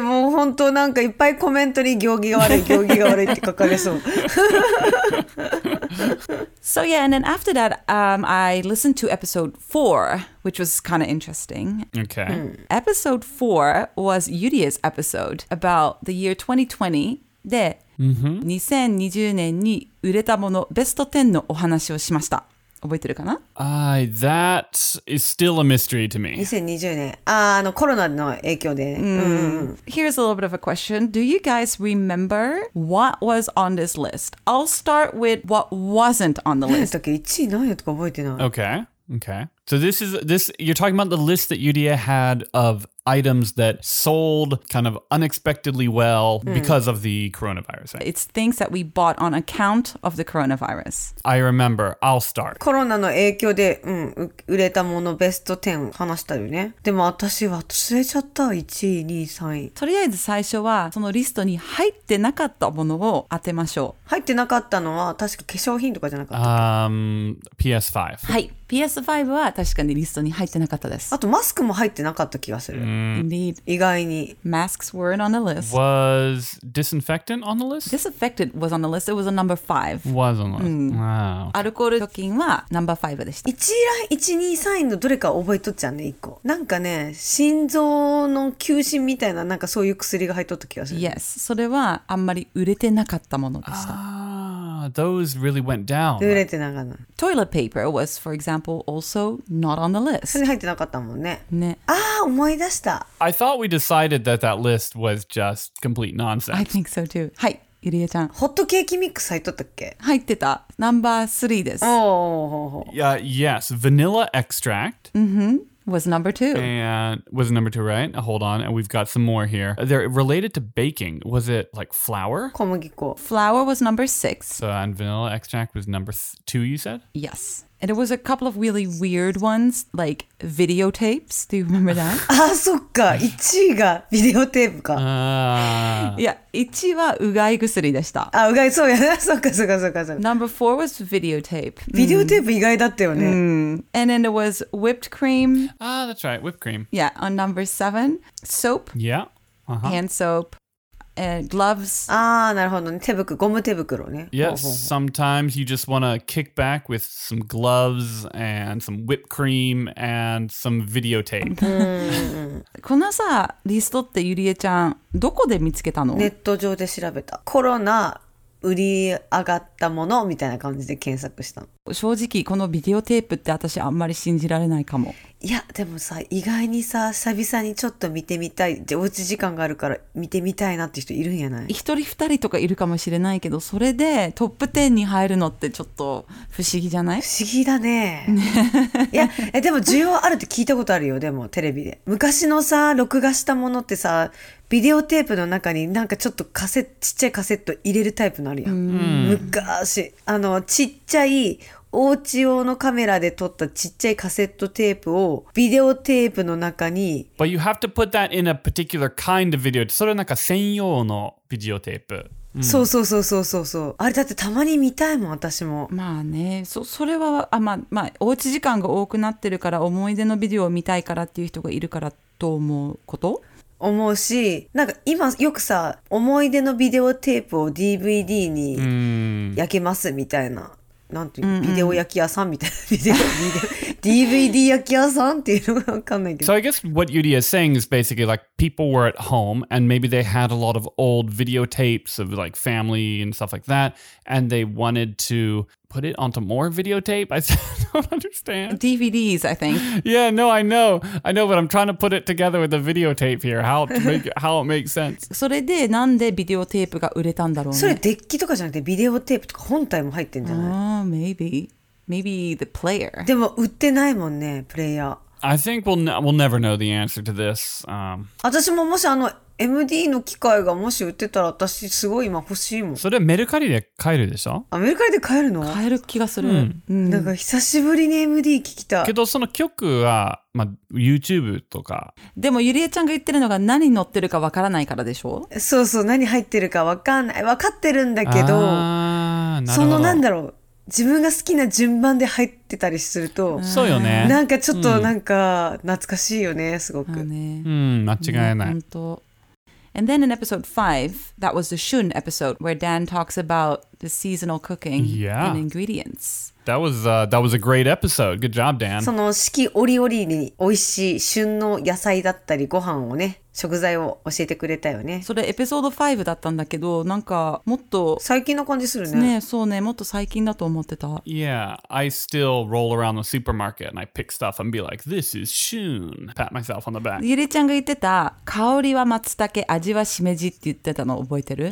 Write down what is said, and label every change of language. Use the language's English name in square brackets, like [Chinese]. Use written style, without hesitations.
[Japanese] もう本当なんかいっぱいコメントに行儀が悪い、行儀が悪いって書かれそう。 [English] So yeah, and then after that, I listened to episode 4, which was kind of interesting. Okay. Mm. Episode 4 was Yuria's episode about the year 2020. で、 [Japanese] 2020 年に売れたものベスト10のお話をしました。覚えてるかな? [English] That is still a mystery to me. [Japanese] 2020年。あ、あのコロナの影響で。 [English] Here's a little bit of a question. Do you guys remember what was on this list? I'll start with what wasn't on the list. [Japanese] 何やったっけ? 1位何やったか覚えてない。 [English] Okay. Okay. So this is, this, you're talking about the list that Yuria had of items that sold kind of unexpectedly well because of the coronavirus, right? It's things that we bought on account of the coronavirus. I remember. I'll start. [Japanese] コロナの影響で、売れたものベスト10話したよね。でも私は忘れちゃった。 1位、2位、3位。とりあえず最初はそのリストに入ってなかったものを当てましょう。入ってなかったのは確か化粧品とかじゃなかった。 [English] PS5. [Japanese] はい。 PS5 は確かにリストに入ってなかったです。あとマスクも入ってなかった気がする。 [English] Indeed. [Japanese] 意外に。 [English] Masks weren't on the list. Was disinfectant on the list? Disinfectant was on the list. It was a number 5. Was on the list.、Wow. [Japanese] アルコール除菌はナンバー5でした。 1位、1、2、3位のどれか覚えとっちゃうね、1個。なんかね、心臓の休診みたいな、なんかそういう薬が入っとった気がする。 [English] Yes. [Japanese] それはあんまり売れてなかったものでした。 [English] Those really went down. Toilet paper was, for example, also not on the list. [Japanese] それ入ってなかったもんね。ね。ああ、思い出した。 [English] I thought we decided that that list was just complete nonsense. I think so too. [Japanese] はい。ゆりえちゃん。ホットケーキミックス入っとったっけ? 入ってた。ナンバー3です。おー、ほーほー。 [English] Yes. Vanilla extract. Mm-hmm. Was number two. And was number two, right? Hold on. And we've got some more here. They're related to baking. Was it like flour? [Japanese] 小麦粉. [English] Flour was number six. So, and vanilla extract was number two, you said? Yes. And it was a couple of really weird ones, like videotapes. Do you remember that? [Japanese] ああ、そっか。1位がビデオテープか。いや、1位はうがい薬でした。あ、うがい、そうやな。そっか、そっか、そっか、そっか。 [English] Number four was videotape. [Japanese] ビデオテープ意外だったよね。 [English] And then there was whipped cream. Ah, that's right, whipped cream. Yeah, on number seven, soap. Yeah. Uh-huh. Hand soap. Gloves. [Japanese] Ah, なるほどね。手袋、ゴム手袋ね。 [English] Yes, sometimes you just want to kick back with some gloves and some whipped cream and some videotape. [Japanese] このさ、リストってゆりえちゃん、どこで見つけたの? ネット上で調べた。コロナ売り上がったものみたいな感じで検索したの。正直、このビデオテープって私あんまり信じられないかも。いやでもさ意外にさ久々にちょっと見てみたいでおうち時間があるから見てみたいなって人いるんやない一人二人とかいるかもしれないけどそれでトップ10に入るのってちょっと不思議じゃない不思議だねいやえでも需要あるって聞いたことあるよでもテレビで昔のさ録画したものってさビデオテープの中になんかちょっとカセットちっちゃいカセット入れるタイプのあるやん、昔あのちっちゃいお家用のカメラで撮ったちっちゃいカセットテープをビデオテープの中に [English] But you have to put that in a particular kind of video. [Japanese] それはなんか専用のビデオテープ、そうそうそうそうそうそう。あれだってたまに見たいもん私もまあね それはあ、まあ、おうち時間が多くなってるから思い出のビデオを見たいからっていう人がいるからと思うこと思うし、なんか今よくさ思い出のビデオテープを DVD に焼けますみたいな、なんていうビデオ焼き屋さんみたいなDVD 焼き屋さんっていうのがわかんないけど。 [English] So I guess what Yuria is saying is basically like people were at home and maybe they had a lot of old videotapes of like family and stuff like that and they wanted to put it onto more videotape. I don't understand. DVDs, I think. Yeah, no, I know. I know, but I'm trying to put it together with the videotape here. How it makes sense. [Japanese] それでなんでビデオテープが売れたんだろうね。それデッキとかじゃなくてビデオテープとか本体も入ってんじゃない? [English] Oh, maybe. Maybe the player. [Japanese] でも売ってないもんね、プレイヤー。 [English] I think we'll never know the answer to this.、 [Japanese] 私ももしあの MD の機械がもし売ってたら私すごい今欲しいもん。それはメルカリで買えるでしょ? あ、メルカリで買えるの? 買える気がする。うん。なんか久しぶりに MD 聞きた。けどその曲は、まあ、YouTube とか。でもゆりえちゃんが言ってるのが何載ってるかわからないからでしょ? そうそう、何入ってるかわかんない。わかってるんだけど、そのなんだろう。自分が好きな順番で入ってたりすると、そうよね。なんかちょっとなんか懐かしいよね、すごく。ね、間違いない。本当。 [English] And then in episode 5, that was the Shun episode, where Dan talks about the seasonal cooking and ingredients. That was a great episode. Good job, Dan. [Japanese] その四季折々に美味しい旬の野菜だったりご飯をね、食材を教えてくれたよね。それエピソード5だったんだけど、なんかもっと最近の感じするね。ね、そうね、もっと最近だと思ってた。 [English] Yeah, I still roll around the supermarket and I pick stuff and be like, this is 旬. Pat myself on the back. [Japanese] ゆりちゃんが言ってた、香りは松茸、味はしめじって言ってたの覚えてる？